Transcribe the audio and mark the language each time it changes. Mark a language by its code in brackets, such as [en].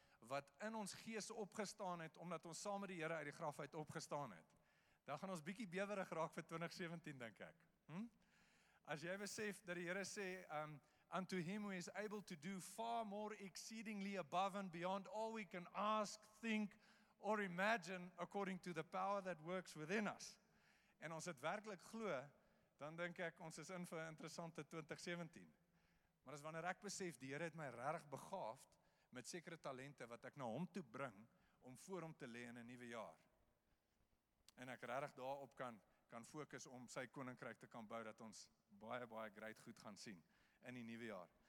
[af] wat in ons gees opgestaan het, omdat ons saam met die Here uit die graf uit opgestaan het. Dan gaan ons bietjie bewerig raak vir 2017, denk ek. As jy besef dat die Here sê, [en] unto him who is able to do far more exceedingly above and beyond all we can ask, think, or imagine, according to the power that works within us. [af] En ons het werklik glo, dan denk ek, ons is in vir 'n interessante 2017. Maar as wanneer ek besef, die Here het my regtig begaafd met sekere talente wat ek na hom toe bring, om voor hom te lê in 'n nuwe jaar. En ek regtig daarop kan fokus om sy koninkryk te kan bou, dat ons baie, baie great goed gaan sien in die nuwe jaar.